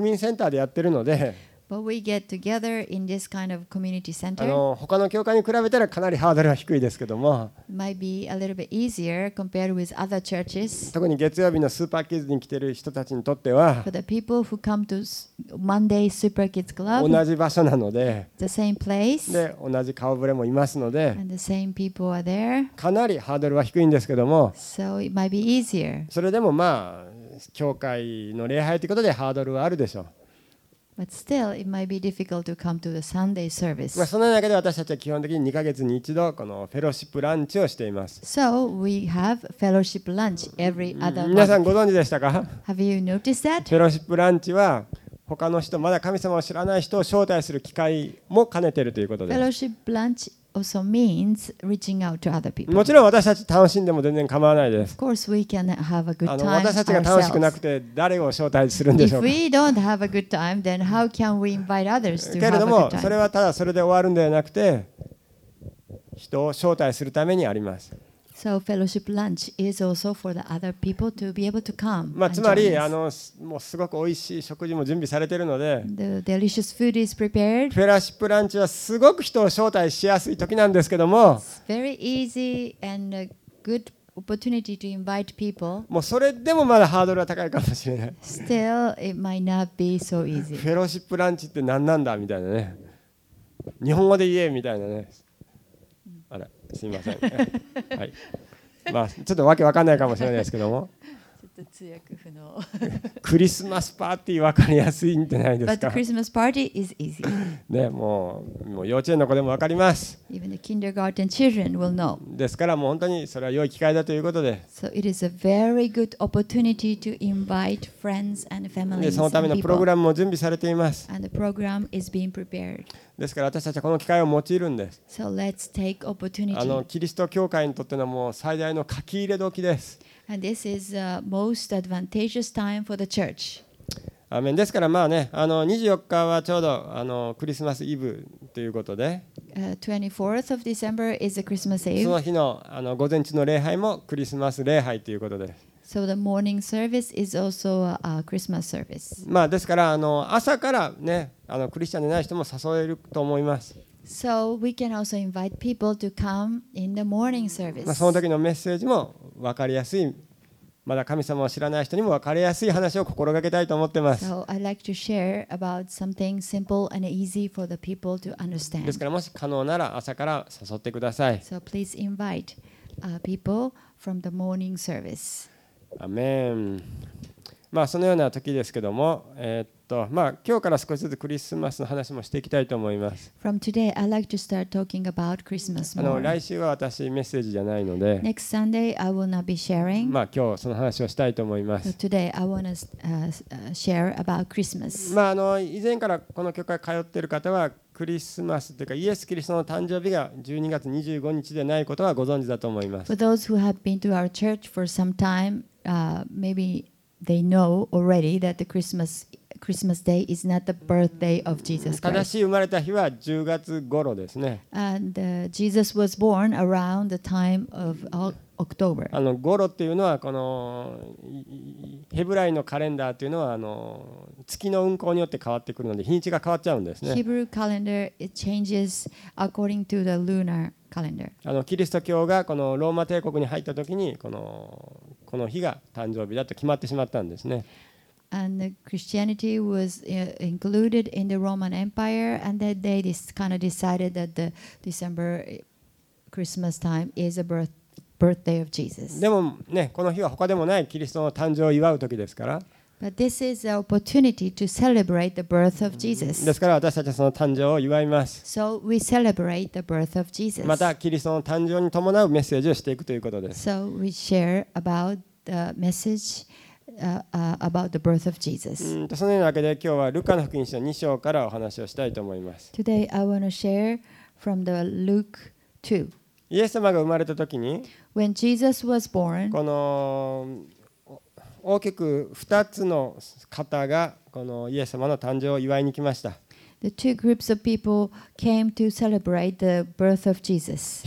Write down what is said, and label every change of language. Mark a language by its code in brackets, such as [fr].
[ja] 民センターでやってるので、他の教会に比べたらかなりハードルは低いですけども、 [en] might be a little bit easier compared with other churches. [ja] 特に月曜日のスーパーキッズに来ている人たちにとっては、 [en] for the people who come to Monday Super Kids Club, [ja] 同じ場所なので、 [en] the same place, [ja] で同じ顔ぶれもいますので、 [en] and the same people are there, [ja] かなりハードルは低いんですけども、 [en] so it might be easier. [ja] それでもまあ教会の礼拝ということでハードルはあるでしょう。 [en] But still, it might be difficult to come to the Sunday service. [ja] まあ、その中で私たちは基本的に2ヶ月に一度このフェロシップランチをしています。 [en] So we have fellowship lunch every other month. [ja] 皆さんご存知でしたか？ [en] Have you noticed that? [ja] フェロシップランチは他の人、まだ神様を知らない人を招待する機会も兼ねているということです。 [en] Fellowship lunch also means reaching out to other people. [ja] もちろん私たち楽しんでも全然構わないです。 [en] Of course, we can have a good time. [ja] 私たちが楽しくなくて誰を招待するんでしょうか。 [en] If we don't have a good time, then how can we invite others to have a good time? [ja] けれども、それはただそれで終わるんではなくて、人を招待するためにあります。 [en] So fellowship lunch is also for the other people to be able to come. [ja] まあつまりもうすごく美味しい食事も準備されているので、 [en] the delicious food is prepared. [ja] フェロシップランチはすごく人を招待しやすい時なんですけども、 [en] it's very easy and a good opportunity to invite people. [ja] もうそれでもまだハードルは高いかもしれない。 [en] Still, it might not be so easy. [ja] フェロシップランチって何なんだみたいなね。日本語で言えみたいなね。あれ。すみません。はい。まあちょっとわけわかんないかもしれないですけども。ちょっと通訳不能。クリスマスパーティーわかりやすいんじゃないですか。 [en] But Christmas party is easy. [ja] ね、もう幼稚園の子でもわかります。 [en] Even the kindergarten children will know. [ja] ですからもう本当にそれは良い機会だということで。 [en] So it is a very good opportunity to invite friends and families. [ja] でそのためのプログラムも準備されています。 [en] And the program is being prepared. [ja] ですから私たちはこの機会を用いるんです。 [en] So let's take opportunity. [ja] キリスト教会にとってのもう最大の書き入れ時です。 [en] And this is the most advantageous time for the church. [ja] アーメン。ですからまあね、24日はちょうどクリスマスイブということで、 [en] 24th of December is a Christmas Eve. [ja] その日の午前中の礼拝もクリスマス礼拝ということで、 [en] So the morning service is also a Christmas service. [ja] まあですから朝からね、クリスチャンでない人も誘えると思います。 [en] So we can also invite people to come in the morning service. [ja] まあその時のメッセージも分かりやすい、まだ神様を知らない人にも分かりやすい話を心がけたいと思ってます。 [en] So I'd like to share about something simple and easy for the people to understand. [ja] ですからもし可能なら朝から誘ってください。 [en] So please invite people from the morning service. [ja] アメン。まあそのような時ですけども、と、まあ、今日から少しずつクリスマスの話もしていきたいと思います。 [en] From today, I'd like to start talking about Christmas more. [ja] 来週は私メッセージじゃないので、 [en] Next Sunday, I will not be sharing. [ja] まあ、今日その話をしたいと思います。 [en] So today, I want to share about Christmas. [ja] まあ、以前からこの教会通っている方はクリスマスというかイエス・キリストの誕生日が12月25日でないことはご存知だと思います。 [en] For those who have been to our church for some time, maybe they know already that the Christmas day is not the birthday of Jesus Christ. [ja] 正しい生まれた日は10月頃ですね。 [en] And Jesus was born around the time of October. [ja] あの頃っていうのはこのヘブライのカレンダーというのはあの月の運行によって変わってくるので日にちが変わっちゃうんですね。 [en] Hebrew calendar, it changes according to the lunar calendar. [ja] あのキリスト教がこのローマ帝国に入った時にこの日が誕生日だと決まってしまったんですね。 [en] And Christianity was included in the Roman Empire, and then they kind of decided that the December Christmas time is a birthday of Jesus. [ja] でもね、この日は他でもないキリストの誕生を祝う時ですから。 [en] But this is an opportunity to celebrate the birth of Jesus. [ja] ですから私たちはその誕生を祝います。 [en] So we celebrate the birth of Jesus. [ja] またキリストの誕生に伴うメッセージをしていくということです。 [en] So we share about the message. About the birth of Jesus. [ja] そのようなわけで今日はルカの福音書2章からお話をしたいと思います。 [en] Today I want to share from the Luke 2. [ja] イエス様が生まれた時に [en] When Jesus was born, [ja] この大きく2つの方がこのイエス様の誕生を祝いに来ました。 [en] The two groups of people came to celebrate the birth of Jesus.